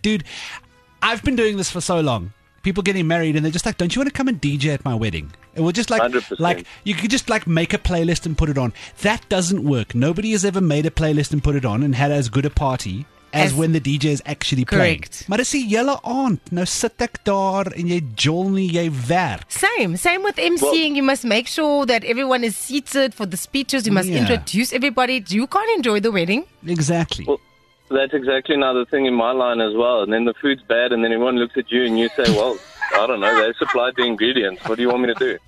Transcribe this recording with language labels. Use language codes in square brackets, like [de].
[en] Dude, I've been doing this for so long. People getting married and they're just like, don't you want to come and DJ at my wedding? And we're just like, 100%. Like you could just like make a playlist and put it on. That doesn't work. Nobody has ever made a playlist and put it on and had as good a party as when the DJ is actually playing. Correct. [af] Maar dis die julle aand. Nou sit ek daar en jy jol nie, jy werk. [en] Same with MCing. Well, you must make sure that everyone is seated for the speeches. You must introduce everybody. You can't enjoy the wedding. Exactly. Well, that's exactly another thing in my line as well. And then the food's bad and then everyone looks at you and you say, well, I don't know. They supplied the ingredients. What do you want me to do?